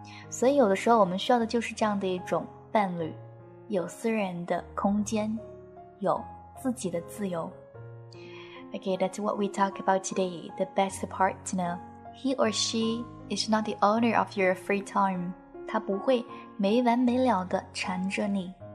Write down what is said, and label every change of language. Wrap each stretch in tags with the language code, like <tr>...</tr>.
<zh>所以有的时候我们需要的就是这样的一种伴侣，有私人的空间，有自己的自由。</zh> <en>Okay, that's what we talk about today. The best partner, he or she is not the owner of your free time.</en> <zh>他不会没完没了地缠着你。</zh>